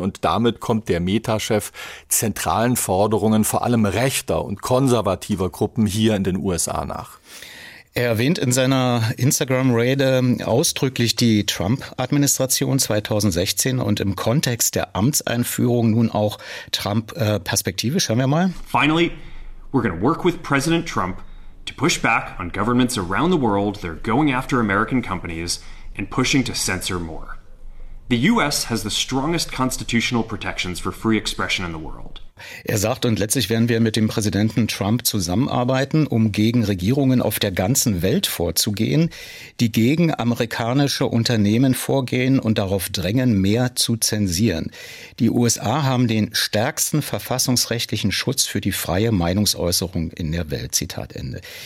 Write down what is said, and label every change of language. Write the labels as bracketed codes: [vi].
[de] Und damit kommt der Meta-Chef zentralen Forderungen vor allem rechter und konservativer Gruppen hier in den USA nach. Er erwähnt in seiner Instagram-Rede ausdrücklich die Trump-Administration 2016 und im Kontext der Amtseinführung nun auch Trump-perspektivisch. Hören wir mal. [en] Finally, we're going to work with President Trump to push back on governments around the world that are going after American companies and pushing to censor more. The US has the strongest constitutional protections for free expression in the world. [de] Er sagt, und letztlich werden wir mit dem Präsidenten Trump zusammenarbeiten, um gegen Regierungen auf der ganzen Welt vorzugehen, die gegen amerikanische Unternehmen vorgehen und darauf drängen, mehr zu zensieren. Die USA haben den stärksten verfassungsrechtlichen Schutz für die freie Meinungsäußerung in der Welt. Zitat Ende.